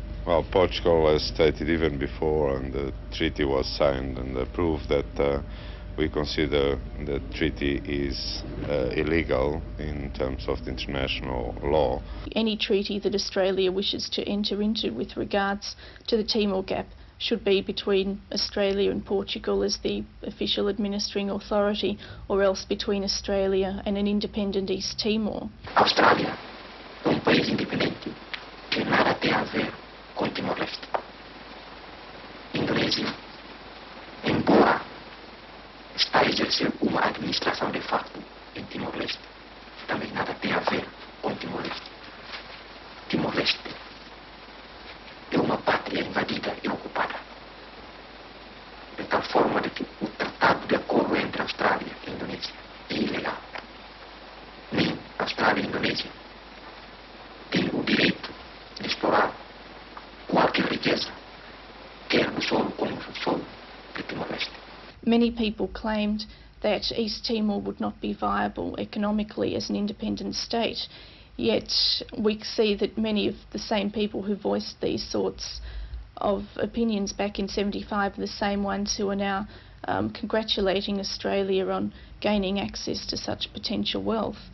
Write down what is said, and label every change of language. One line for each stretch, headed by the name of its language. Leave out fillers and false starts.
English: Well, Portugal has stated even before and the treaty was signed and approved that we consider the treaty is illegal in terms of the international law. Any treaty that Australia wishes to enter into with regards to the Timor Gap should be between Australia and Portugal as the official administering authority, or else between Australia and an independent East Timor.
Portuguese: Australia, um país independente, que nada tem a ver com Timor-Leste. Indonésia, embora está a exercer uma administração de facto em Timor-Leste, também nada tem a ver com Timor-Leste. Timor-Leste é uma pátria invadida e ocupada. De tal forma de que o tratado de acordo entre Austrália e Indonésia é ilegal. Nem Austrália e Indonésia têm o direito de explorar qualquer riqueza, quer no solo como no solo de Timor-Leste.
English: Many people claimed that East Timor would not be viable economically as an independent state. Yet we see that many of the same people who voiced these sorts of opinions back in 75 are the same ones who are now congratulating Australia on gaining access to such potential wealth.